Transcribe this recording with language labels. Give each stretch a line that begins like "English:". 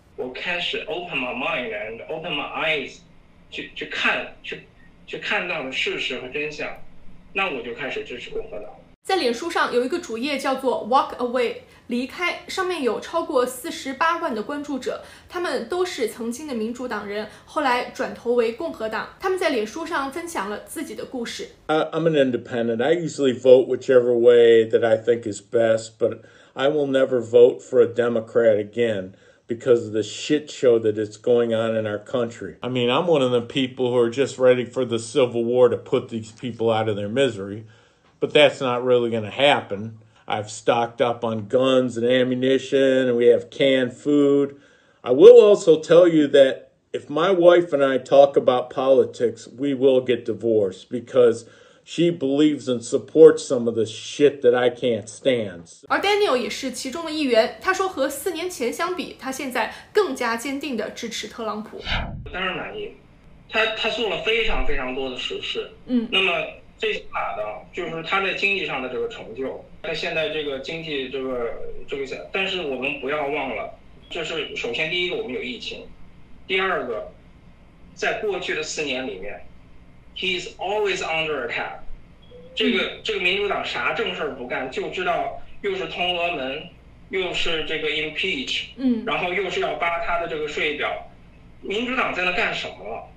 Chinese: 我开始
English: open my mind and open my eyes，
Chinese: 去看到了事实和真相，那我就开始支持共和党。在脸书上有一个主页叫做 Walk Away， 离开，上面有超过48万的关注者，他们都是曾经的民主党人，后来转投为共和党。他们在脸书上分享了自己的故事。
English: I'm an independent. I usually vote whichever way that I think is best, but I will never vote for a Democrat again because of the shit show that is going on in our country. I mean, I'm one of the people who are just ready for the Civil War to put these people out of their misery. But that's not really going to happen. I've stocked up on guns and ammunition, and we have canned food. I will also tell you that if my wife and I talk about politics, we will get divorced because she believes and supports some of the shit that I can't stand.
Chinese: 而 Daniel 也是其中的一员，他说和4年前相比，他现在更加坚定地支持特朗普。当然满意。他做了非常非常多的实事。那么最起码的就是他在经济上的这个成就，他现在这个经济这个下，但是我们不要忘了，就是首先第一个我们有疫情，第二个在过去的4年里面
English: he is always under attack，
Chinese: 这个民主党啥正事不干，就知道又是通俄门，又是这个 impeach， 然后又是要扒他的这个税表，民主党在那干什么？